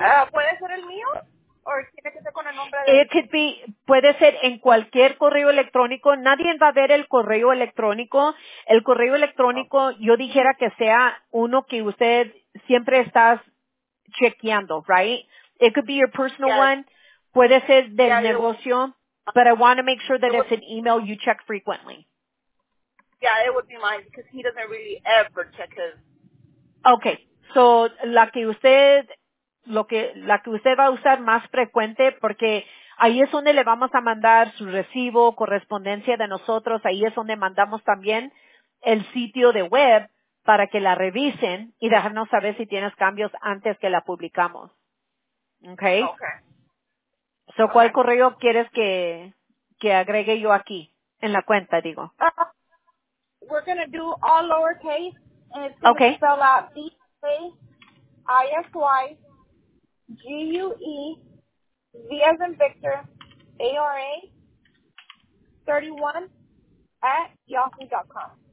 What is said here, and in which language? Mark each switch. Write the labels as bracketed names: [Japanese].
[Spanish] ¿Puede ser el mío? ¿O tiene que ser con el nombre de...? [English] It could be, [Spanish] puede ser en cualquier correo electrónico. Nadie va a ver el correo electrónico. El correo electrónico, yo dijera que sea uno que usted siempre está chequeando, [English] right? It could be your personal one. [Spanish] Puede ser del negocio, [English] but I want to make sure that it's an email you check frequently. Yeah, it would be mine because he doesn't really ever check his. [Spanish] Okay, so la que usted va a usar más frecuente, porque ahí es donde le vamos a mandar su recibo, correspondencia de nosotros, ahí es donde mandamos también el sitio de web para que la revisen y dejarnos saber si tienes cambios antes que la publicamos. Okay. So, ¿cuál okay. correo quieres que agregue yo aquí, en la cuenta, digo? [English] We're going to do all lowercase, and it's going okay. to spell out DaisyGUE, V as in Victor, ARA, 31@yahoo.com.